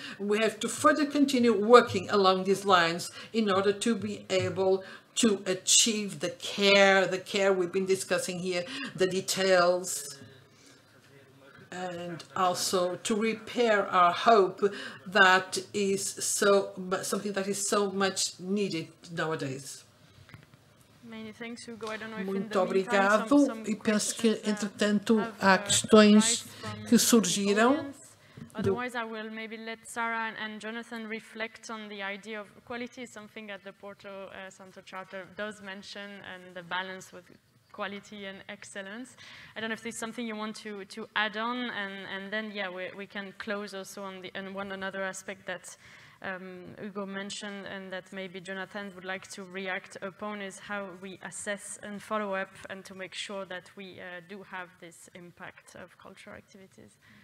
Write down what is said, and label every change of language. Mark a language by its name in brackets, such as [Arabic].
[English] We have to further continue working along these lines in order to be able to achieve the care we've been discussing here, the details, and also to repair our hope that is so something that is so much needed nowadays. Many thanks, Hugo. I don't know if [Portuguese] muito obrigado. E penso que, entretanto, há questões que surgiram. [English] Otherwise, I will maybe let Sarah and Jonathan reflect on the idea of quality, something that the Porto Santo Charter does mention, and the balance with quality and excellence. I don't know if there's something you want to add on, and then, yeah, we can close also on the and one another aspect that Hugo mentioned, and that maybe Jonathan would like to react upon, is how we assess and follow up and to make sure that we do have this impact of cultural activities.